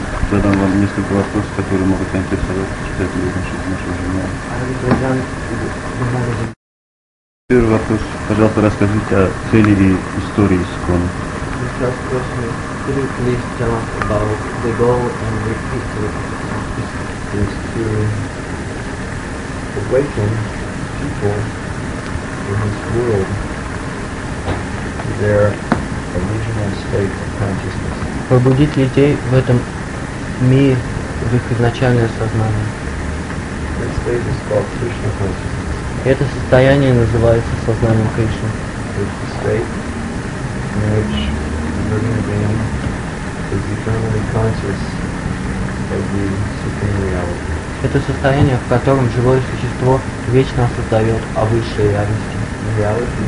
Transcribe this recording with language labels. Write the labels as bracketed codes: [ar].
[ru] задам вам несколько вопросов, которые могут интересовать читателей нашего журнала. Первый вопрос. Пожалуйста, расскажите о цели и истории ИСККОН. [en] Awaken people in this world to their original state of consciousness. [ru] Пробудить людей в этом мире в их изначальное сознание. [en] This state is called Krishna consciousness. [ru] Это состояние называется сознанием Кришны. [en] It's the state in which the living being is eternally conscious of the supreme reality. [ru] Это состояние, в котором живое существо вечно осознает о высшей реальности.